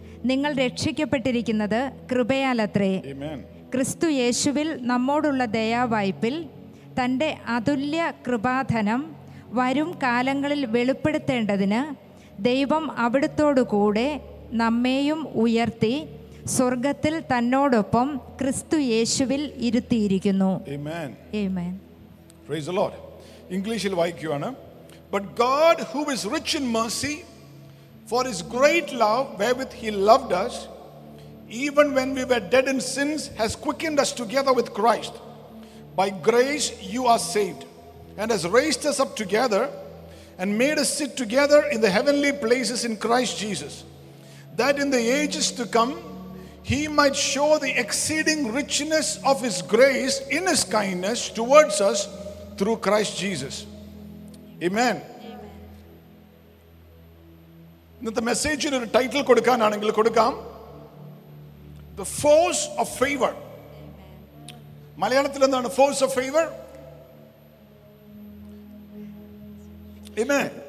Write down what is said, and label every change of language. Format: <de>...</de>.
<ml>നിങ്ങൾ രക്ഷിക്കപ്പെട്ടിരിക്കുന്നത് കൃപയാലത്രേ. ക്രിസ്തു യേശുവിൽ നമ്മോടുള്ള ദയാവായ്പിൽ തൻ്റെ അതുല്യ കൃപാധനം വരും കാലങ്ങളിൽ വെളിപ്പെടുത്തേണ്ടതിന് ദൈവം അവിടുത്തോടുകൂടെ നമ്മെയും ഉയർത്തി സ്വർഗത്തിൽ തന്നോടൊപ്പം ക്രിസ്തു യേശുവിൽ ഇരുത്തിയിരിക്കുന്നു. ആമേൻ. ആമേൻ. Praise the Lord. ഇംഗ്ലീഷിൽ വായിക്കുകയാണ്.</ml> <en>But God, who is rich in mercy, for his great love wherewith he loved us, even when we were dead in sins, has quickened us together with Christ. By grace you are saved, and has raised us up together, and made us sit together in the heavenly places in Christ Jesus, that in the ages to come He might show the exceeding richness of His grace in His kindness towards us through Christ Jesus. Amen.</en> <ml>ഇന്നത്തെ മെസ്സേജിന് ഒരു title കൊടുക്കാനാണെങ്കിൽ കൊടുക്കാം, the force of favour. മലയാളത്തിൽ എന്താണ് force of favour?</ml> <en>Amen.</en>